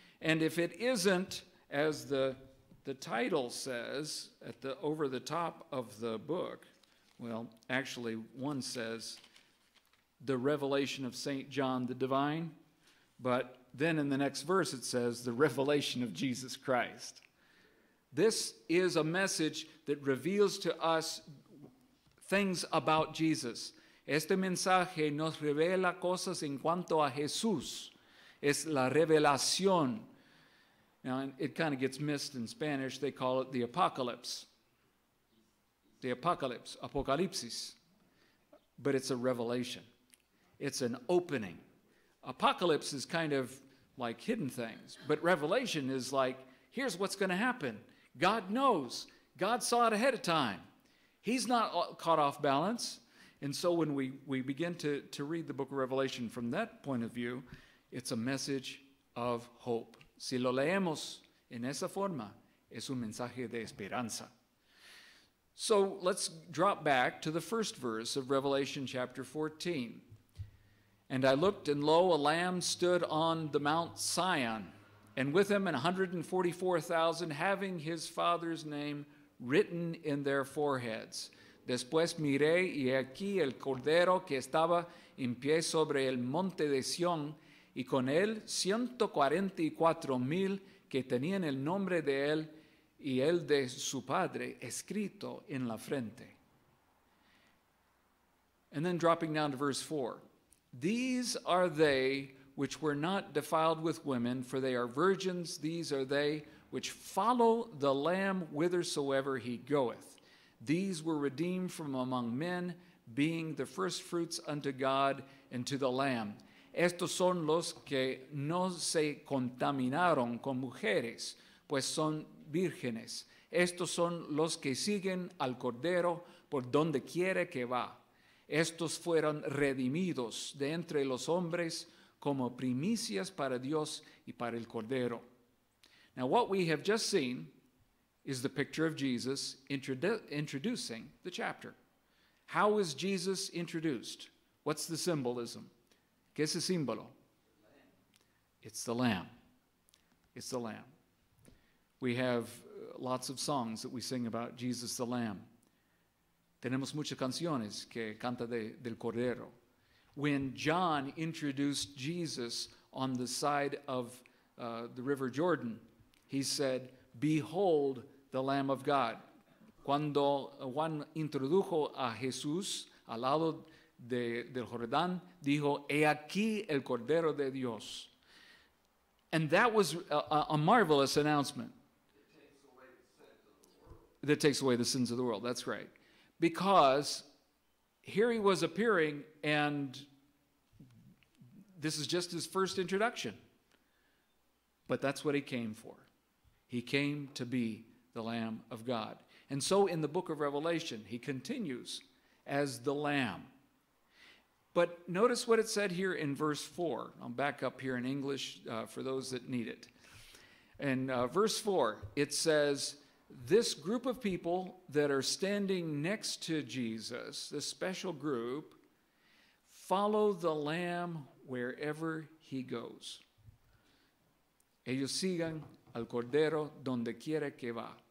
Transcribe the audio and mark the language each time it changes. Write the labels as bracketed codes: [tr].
[en] And if it isn't, as the title says, at the over the top of the book, well, actually, one says, the revelation of St. John the Divine, but then in the next verse it says, the revelation of Jesus Christ. This is a message that reveals to us things about Jesus. [es] Este mensaje nos revela cosas en cuanto a Jesús. Es la revelación. [en] Now, it kind of gets missed in Spanish. They call it the apocalypse. The apocalypse, apocalipsis. But it's a revelation. It's an opening. Apocalypse is kind of like hidden things. But revelation is like, here's what's going to happen. God knows. God saw it ahead of time. He's not caught off balance. And so when we begin to read the book of Revelation from that point of view, it's a message of hope. [es] Si lo leemos en esa forma, es un mensaje de esperanza. [en] So let's drop back to the first verse of Revelation chapter 14. And I looked, and lo, a lamb stood on the Mount Sion, and with him 144,000, having his father's name written in their foreheads. [es] Después miré, y aquí el cordero que estaba en pie sobre el monte de Sion, y con él 144,000 que tenían el nombre de él y el de su padre escrito en la frente. [en] And then dropping down to verse 4. These are they which were not defiled with women, for they are virgins. These are they which follow the Lamb whithersoever he goeth. These were redeemed from among men, being the first fruits unto God and to the Lamb. [es] Estos son los que no se contaminaron con mujeres, pues son vírgenes. Estos son los que siguen al Cordero por donde quiere que va. Estos fueron redimidos de entre los hombres como primicias para Dios y para el Cordero. [en] Now, what we have just seen is the picture of Jesus introducing the chapter. How is Jesus introduced? What's the symbolism? [es] ¿Qué es el símbolo? [en] It's the Lamb. It's the Lamb. We have lots of songs that we sing about Jesus the Lamb. [es] Tenemos muchas canciones que canta del Cordero. [en] When John introduced Jesus on the side of the River Jordan, he said, "Behold the Lamb of God." [es] Cuando Juan introdujo a Jesús al lado del Jordán, dijo, "He aquí el Cordero de Dios." [en] And that was a marvelous announcement. That takes away the sins of the world. That's right. Because here he was appearing, and this is just his first introduction. But that's what he came for. He came to be the Lamb of God. And so in the book of Revelation, he continues as the Lamb. But notice what it said here in verse 4. I'll back up here in English for those that need it. In verse 4, it says, this group of people that are standing next to Jesus, this special group, follow the Lamb wherever he goes. [es] Ellos sigan al Cordero donde quiera que va.